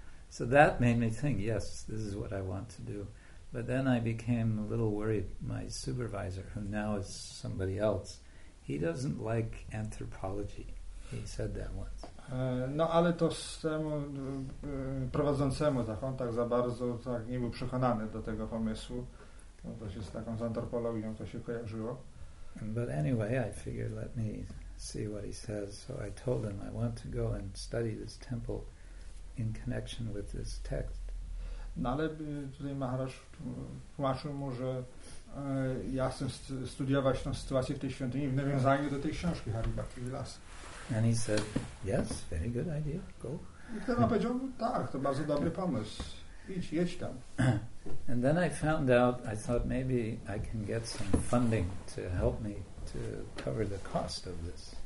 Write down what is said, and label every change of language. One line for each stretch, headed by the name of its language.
English: So that made me think, yes, this is what I want to do. But then I became a little worried. My supervisor, who now is somebody else, he doesn't like anthropology. He said that once.
Polish: No, ale to z temu prowadzącemu, tak, on tak za bardzo tak nie był przekonany do tego pomysłu. No, to się z taką z antropologią to się kojarzyło.
English: But anyway, I figured, let me see what he says. So I told him, I want to go and study this temple in connection with this text.
Polish: No ale tutaj Maharaj tłumaczył mu, że ja chcę studiować tą sytuację w tej świątyni w nawiązaniu do tej książki Hari Bhakti Vilas.
English: And he said, yes, very good idea, go.
Polish: I wtedy on powiedział, tak, to bardzo dobry pomysł, idź, jedź tam.
English: And then I found out, I thought maybe I can get some funding to help me to cover the cost of this.